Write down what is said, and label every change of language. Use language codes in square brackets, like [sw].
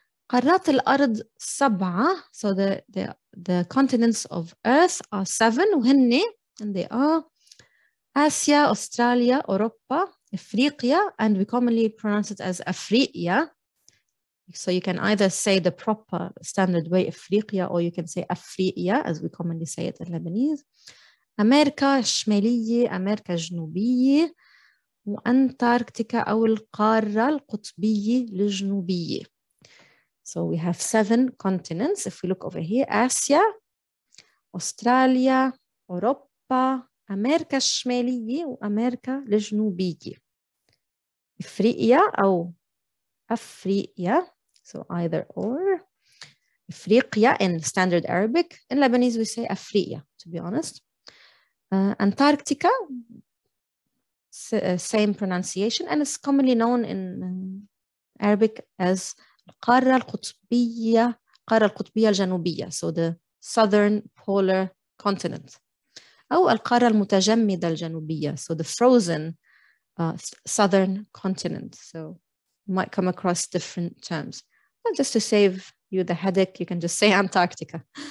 [ar] قارات الأرض سبعة, [en] so the continents of earth are seven, [ar] وهن, [en] and they are Asia, Australia, Europa, Afrika, and we commonly pronounce it as Afrika. So you can either say the proper standard way, Afrika, or you can say Afrika, as we commonly say it in Lebanese. [ar] America, الشمالية, America, الجنوبية, وأنتاركتيكا أو القارة القطبية الجنوبية. [en] So we have seven continents. If we look over here, Asia, Australia, أوروبا, [ar] أمريكا الشمالية وأمريكا الجنوبية. إفريقيا أو أفريقيا. [en] So either or. إفريقيا in standard Arabic. In Lebanese we say أفريقيا, to be honest. أنتاركتيكا. Same pronunciation, and it's commonly known in Arabic as [ar] القارة القطبية, القارة القطبية الجنوبية, [en] so the southern polar continent. [ar] أو القارة المتجمدة الجنوبية, [en] so the frozen southern continent. So you might come across different terms. Well, just to save you the headache, you can just say Antarctica.